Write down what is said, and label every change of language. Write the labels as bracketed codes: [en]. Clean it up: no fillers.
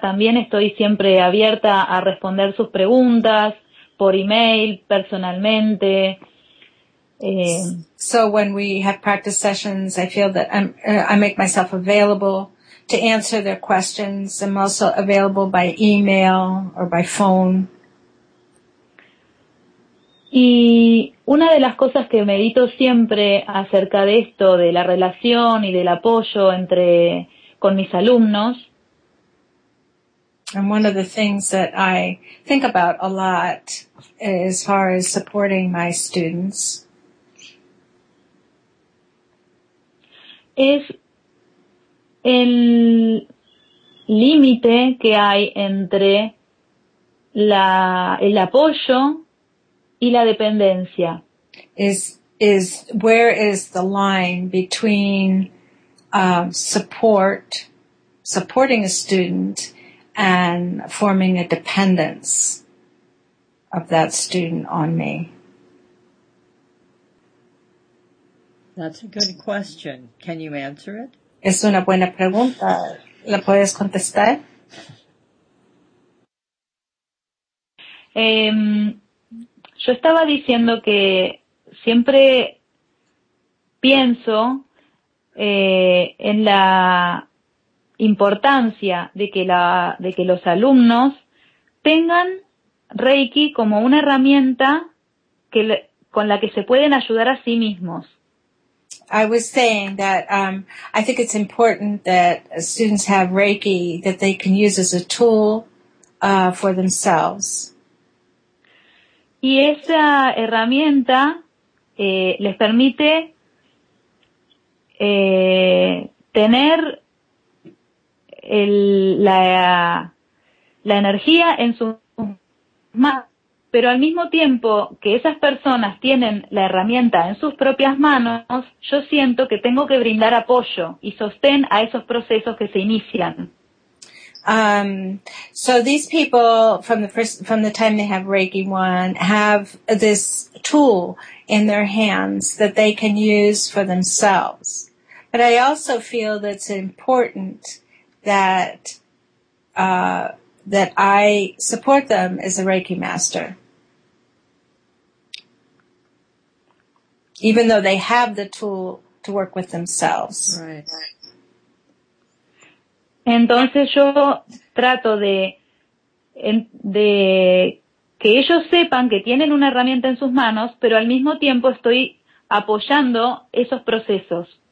[es] También estoy siempre abierta a responder sus preguntas por email, personalmente. [en] So when we have practice sessions, I feel that I make myself available to answer their questions. I'm also available by email or by phone. [es] Y una de las cosas que medito siempre acerca de esto, de la relación y del apoyo con mis alumnos. [en] And one of the things that I think about a lot as far as supporting my students [es] es el límite que hay entre el apoyo y la dependencia. [en] Is where is the line between supporting a student and forming a dependence of that student on me? That's a good question. Can you answer it? [es] Es una buena pregunta. ¿La puedes contestar? Yo estaba diciendo que siempre pienso en la importancia de que los alumnos tengan Reiki como una herramienta con la que se pueden ayudar a sí mismos. [en] I was saying that I think it's important that students have Reiki that they can use as a tool for themselves. [es] Y esa herramienta les permite tener la energía en sus manos. Pero al mismo tiempo que esas personas tienen la herramienta en sus propias manos, yo siento que tengo que brindar apoyo y sostén a esos procesos que se inician. [en] So these people from the time they have Reiki 1 have this tool in their hands that they can use for themselves. But I also feel that it's important that I support them as a Reiki master. Even though they have the tool to work with themselves. Right. [es] Entonces yo trato de que ellos sepan que tienen una herramienta en sus manos, pero al mismo tiempo estoy apoyando esos procesos.